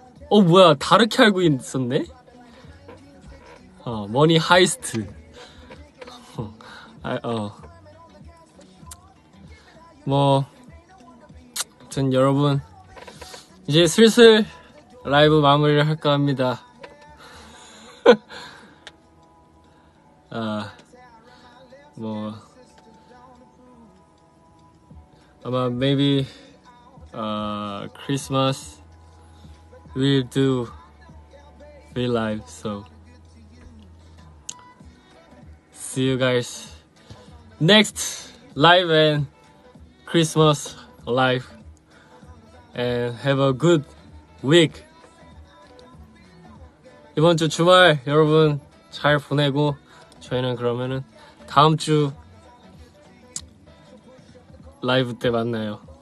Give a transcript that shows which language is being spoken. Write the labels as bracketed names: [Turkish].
[Korean] 어 뭐야 다르게 알고 있었네? 어 머니 하이스트. 아무튼 여러분 이제 슬슬 라이브 마무리를 할까 합니다. 아뭐 아마 [English] maybe Christmas we'll do be live, so see you guys next live and Christmas live and have a good week. [Korean] 이번 주 주말 여러분 잘 보내고 저희는 그러면은 다음 주 라이브 때 만나요.